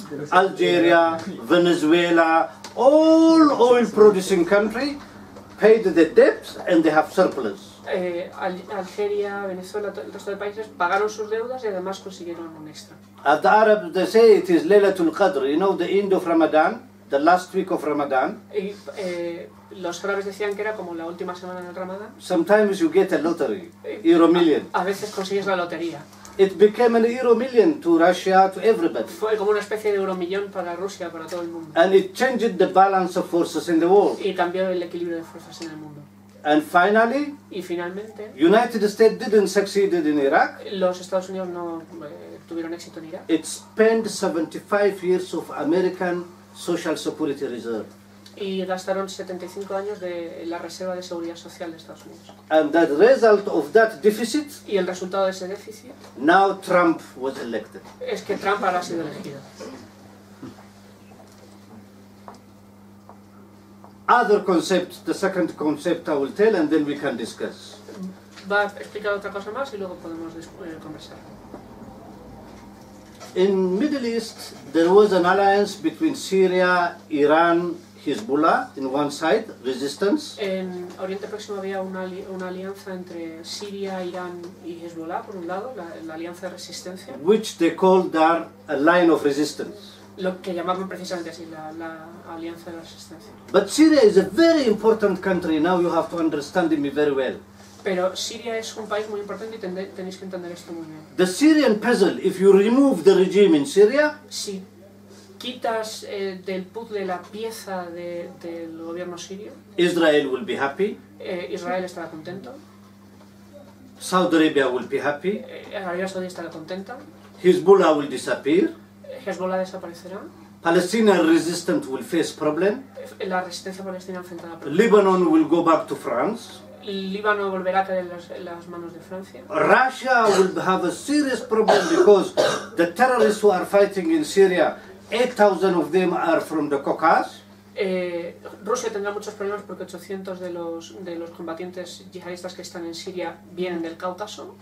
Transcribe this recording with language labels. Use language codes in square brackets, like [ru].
[en] Algeria, Venezuela, all oil producing country paid the debts and they have surplus. [es] Algeria, Venezuela, el resto de países pagaron sus deudas y además consiguieron un extra. [en] At the Arabs they say it is Laylatul Qadr, you know, the end of Ramadan, the last week of Ramadan. [es] Los árabes decían que era como la última semana del Ramadán. [en] Sometimes you get a lottery, Euro million. [es] A veces consigues la lotería. [en] It became an Euro million to Russia, to everybody. [es] Fue como una especie de Euro millón para Rusia, para todo el mundo. [en] And it changed the balance of forces in the world. [es] Y cambió el equilibrio de fuerzas en el mundo. [en] And finally, [es] y finalmente, [en] United States didn't succeed in Iraq. [es] Los Estados Unidos no tuvieron éxito en Irak. [en] It spent 75 years of American Social Security Reserve. [es] Y gastaron 75 años de la Reserva de Seguridad Social de Estados Unidos. [en] And that result of that deficit, [es] y el resultado de ese déficit, [en] now Trump was elected. [es] Es que Trump ahora ha sido elegido. [en] Other concept, the second concept I will tell and then we can discuss. [es] Va a explicar otra cosa más y luego podemos conversar. [en] In Middle East there was an alliance between Syria, Iran, Hezbollah in one side, resistance. [es] En Oriente Próximo había una alianza entre Siria, Irán y Hezbollah por un lado, la alianza de resistencia. [en] Which they called their line of resistance. [es] Lo que llamaban precisamente así, la alianza de resistencia. [en] But Syria is a very important country. Now you have to understand me very well. [es] Pero Siria es un país muy importante y tenéis que entender esto muy bien. [en] The Syrian puzzle. If you remove the regime in Syria, [es] si quitas del puzzle la pieza del gobierno sirio, [en] Israel will be happy. [es] Israel estará contento. [en] Saudi Arabia will be happy. [es] Arabia Saudí estará contenta. [en] Hezbollah will disappear. [es] Hezbollah desaparecerá. [en] Palestinian resistance will face problem. [es] La resistencia palestina enfrentará problemas. [en] Lebanon will go back to France. [es] Líbano volverá a caer en las manos de Francia. [en] Russia will have a serious problem because the terrorists who are fighting in Syria, 8,000 of them are from the Caucasus. [es] Rusia tendrá muchos problemas porque 800 de los combatientes yihadistas que están en Siria vienen del Cáucaso.